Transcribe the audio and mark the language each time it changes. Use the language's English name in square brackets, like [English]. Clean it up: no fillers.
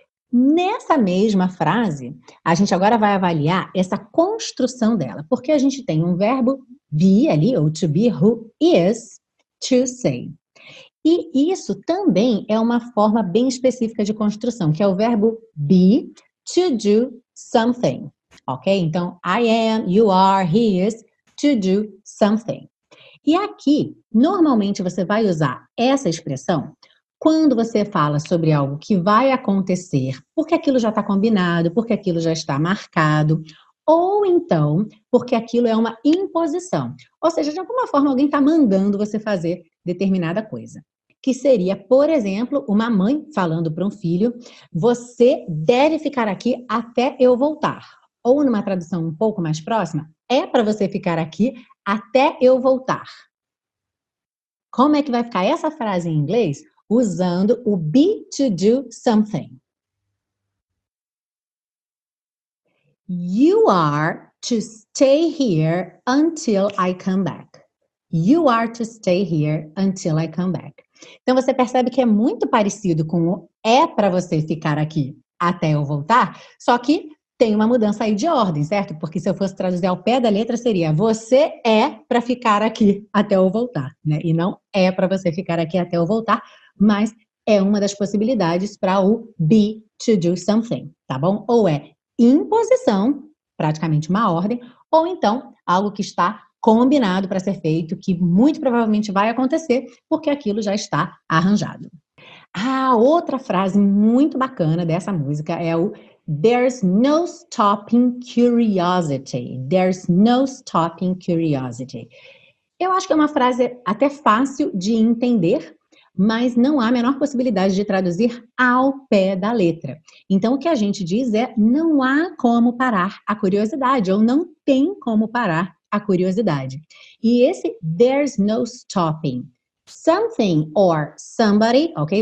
[Portuguese] Nessa mesma frase, a gente agora vai avaliar essa construção dela. Porque a gente tem um verbo be ali, ou to be, [English] who is to say. [Portuguese] E isso também é uma forma bem específica de construção, que é o verbo be to do something. Ok? [English] Então, I am, you are, he is to do something. [Portuguese] E aqui, normalmente você vai usar essa expressão quando você fala sobre algo que vai acontecer, porque aquilo já está combinado, porque aquilo já está marcado, ou então porque aquilo é uma imposição. Ou seja, de alguma forma alguém está mandando você fazer determinada coisa. Que seria, por exemplo, uma mãe falando para um filho, você deve ficar aqui até eu voltar. Ou numa tradução um pouco mais próxima, é para você ficar aqui até eu voltar. Como é que vai ficar essa frase em inglês? Usando o be to do something. [English] You are to stay here until I come back. You are to stay here until I come back. [Portuguese] Então você percebe que é muito parecido com o é para você ficar aqui até eu voltar, só que tem uma mudança aí de ordem, certo? Porque se eu fosse traduzir ao pé da letra, seria você é para ficar aqui até eu voltar, né? E não é para você ficar aqui até eu voltar, mas é uma das possibilidades para o be to do something, tá bom? Ou é imposição, praticamente uma ordem, ou então algo que está combinado para ser feito, que muito provavelmente vai acontecer, porque aquilo já está arranjado. Ah, outra frase muito bacana dessa música é o [English] there's no stopping curiosity. There's no stopping curiosity. [Portuguese] Eu acho que é uma frase até fácil de entender, mas não há a menor possibilidade de traduzir ao pé da letra. Então, o que a gente diz é não há como parar a curiosidade, ou não tem como parar a curiosidade. E esse [English] there's no stopping something or somebody, [Portuguese] ok?